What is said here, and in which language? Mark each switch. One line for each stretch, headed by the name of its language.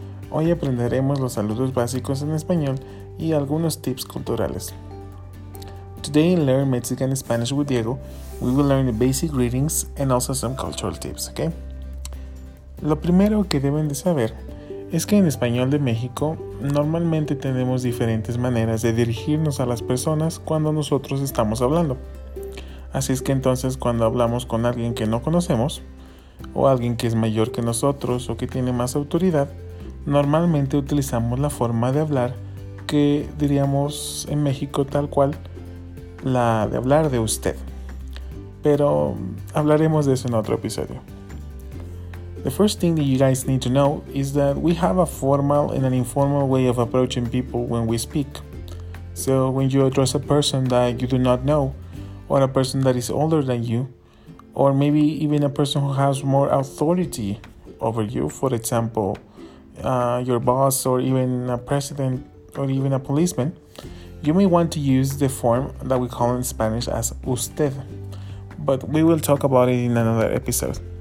Spanish: Hoy aprenderemos los saludos básicos en español y algunos tips culturales.
English: Today in Learn Mexican Spanish with Diego, we will learn the basic greetings and also some cultural tips, okay?
Spanish: Lo primero que deben de saber es que en español de México normalmente tenemos diferentes maneras de dirigirnos a las personas cuando nosotros estamos hablando. Así es que entonces cuando hablamos con alguien que no conocemos, o alguien que es mayor que nosotros o que tiene más autoridad, normalmente utilizamos la forma de hablar que diríamos en México tal cual, la de hablar de usted. Pero hablaremos de eso en otro episodio.
English: The first thing that you guys need to know is that we have a formal and an informal way of approaching people when we speak. So when you address a person that you do not know, or a person that is older than you, or maybe even a person who has more authority over you, for example, your boss or even a president or even a policeman, you may want to use the form that we call in Spanish as usted, but we will talk about it in another episode.